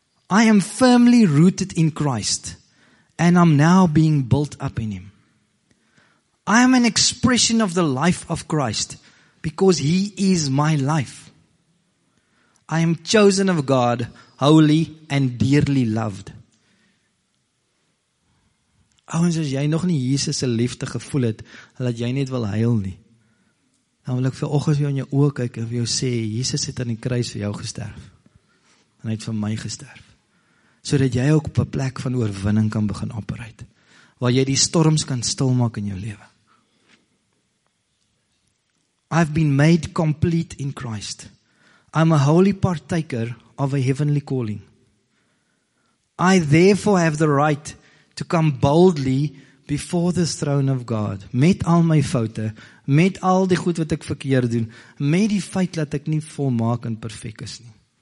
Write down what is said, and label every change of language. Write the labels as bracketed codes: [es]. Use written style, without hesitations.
[en] I am firmly rooted in Christ and I'm now being built up in him. I am an expression of the life of Christ because he is my life. I am chosen of God, holy and dearly loved. [af] Ouens, as jy nog nie Jesus se liefde gevoel het, laat jy net wil huil nie. Dan wil ek vir oggend jou in jou oë kyk en vir jou sê, Jesus het aan die kruis vir jou gesterf. En hy het vir my gesterf. Sodat jy ook op 'n plek van oorwinning kan begin operate. Waar jy die storms kan stilmaak in jou lewe. [en] I've been made complete in Christ. I'm a holy partaker of a heavenly calling. I therefore have the right to come boldly before the throne of God. [af] Met al my foute, met al die goed wat ek verkeerd doen, met die feit dat ek nie volmaak en perfek is nie.